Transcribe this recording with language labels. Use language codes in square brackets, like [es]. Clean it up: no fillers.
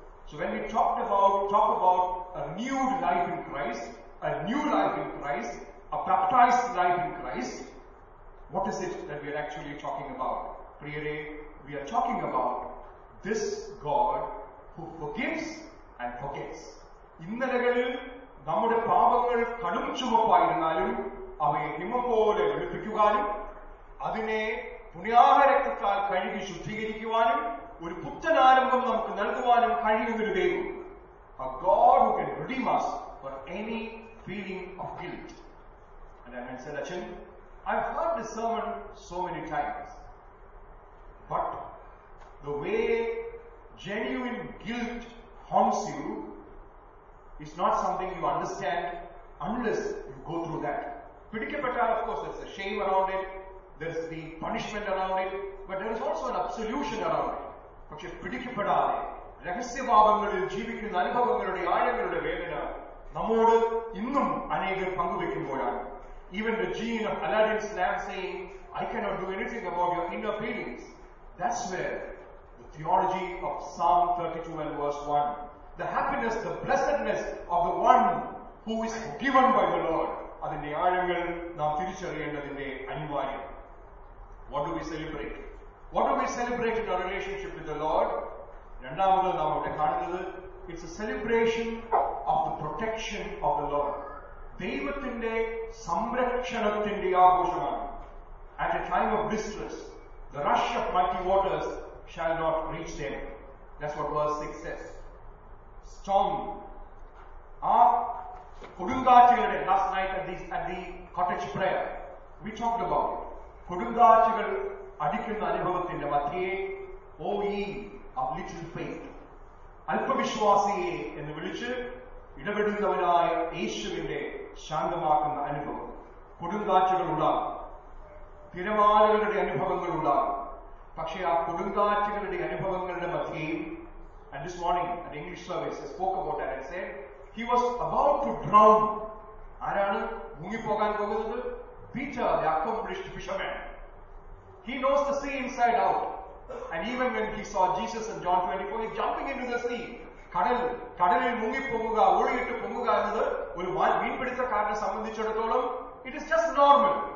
[en] So when we talk about a new life in Christ, a baptized life in Christ, what is it that we are actually talking about? Priyare, we are talking about this God who forgives and forgets. [ml] ഇന്നലകളിൽ നമ്മുടെ പാപങ്ങൾ കടും ചുമപ്പായിരുന്നാലും അവയെ ഹിമം പോലെ വെളുപ്പിക്കുവാനും അതിനെ പുണ്യാഹരക്തത്താൽ കഴുകി ശുദ്ധീകരിക്കുവാനും ഒരു പുത്തനാരംഭം നമുക്ക് നൽകുവാനും കഴിയുന്നൊരു ദൈവം. [en] A God who can redeem us for any feeling of guilt. And I mentioned that I've heard this sermon so many times, but the way genuine guilt haunts you is not something you understand unless you go through that. [ml] Pidikapetta, [en] of course, there's a shame around it, there's the punishment around it, but there is also an absolution around it. [ml] Pakshe pidikapetta, രഹസ്യഭാവങ്ങളിൽ ജീവിക്കുന്ന അനുഭവങ്ങളുടെ ആഴങ്ങളുടെ വേദന നമ്മോട് ഇന്നും അനേകർ പങ്കുവെക്കുമ്പോഴാണ്. [en] Even the genie of Aladdin's lamp saying, I cannot do anything about your inner feelings. That's where the theology of Psalm 32 and verse 1. The happiness, the blessedness of the one who is given by the Lord. [ml] അതിന്റെ ആഴങ്ങൾ നാം തിരിച്ചറിയേണ്ടതിന്റെ അനിവാര്യം. [en] What do we celebrate? What do we celebrate in our relationship with the Lord? [ml] രണ്ടാമത് നാം അവിടെ കാണുന്നത്, [en] it's a celebration of the protection of the Lord. [ml] ദൈവത്തിന്റെ സംരക്ഷണത്തിന്റെ ആഘോഷമാണ്. [en] At a time of distress, the rush of mighty waters shall not reach them. That's what verse 6 says. Storm. Ah, [ml] കൊടുങ്കാറ്റുകളുടെ, [en] last night at the cottage prayer, we talked about it. [ml] കൊടുങ്കാറ്റുകൾ അടിക്കുന്ന അനുഭവത്തിന്റെ മധ്യേ, [en] O ye of little faith, [ml] അല്പവിശ്വാസിയെ എന്ന് വിളിച്ച് ഇടപെടുന്നവനായ യേശുവിന്റെ ശാന്തമാക്കുന്ന അനുഭവം. കൊടുങ്കാറ്റുകളുണ്ടാകും, തിരമാലകളുടെ അനുഭവങ്ങളുണ്ടാകും, പക്ഷേ ആ കൊടുങ്കാറ്റുകളുടെ അനുഭവങ്ങളുടെ മധ്യയും. [en] And this morning at English service I spoke about that and said he was about to drown. [ml] ആരാണ് മുങ്ങിപ്പോകാൻ പോകുന്നത്? [en] Peter, the accomplished fisherman. He knows the sea inside out. And even when he saw Jesus in John 24, he's jumping into the sea. [ml] കടലിൽ മുങ്ങിപ്പൊങ്ങുക, ഒഴുകിട്ട് പൊങ്ങുക എന്നത് ഒരു മീൻപിടുത്തക്കാരനെ സംബന്ധിച്ചിടത്തോളം [en] It is just normal.